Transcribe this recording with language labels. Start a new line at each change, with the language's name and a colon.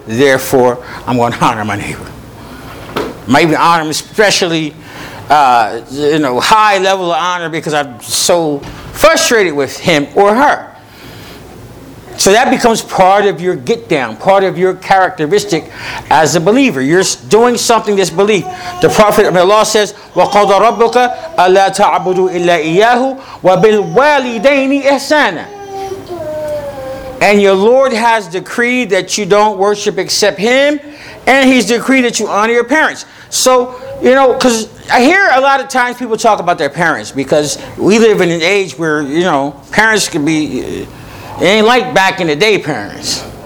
English: Therefore, I'm going to honor my neighbor. Maybe honor him especially, you know, high level of honor because I'm so frustrated with him or her. So that becomes part of your get down, part of your characteristic as a believer. You're doing something this belief. The Prophet of Allah says,
Arabic: وَقَضَ رَبُّكَ أَلَّا تَعْبُدُوا إِلَّا إِيَّاهُ وَبِالْوَالِدَيْنِ إِحْسَانًا.
English: And your Lord has decreed that you don't worship except Him, and He's decreed that you honor your parents. So, you know, because I hear a lot of times people talk about their parents, because we live in an age where, you know, parents can be, it ain't like back in the day parents.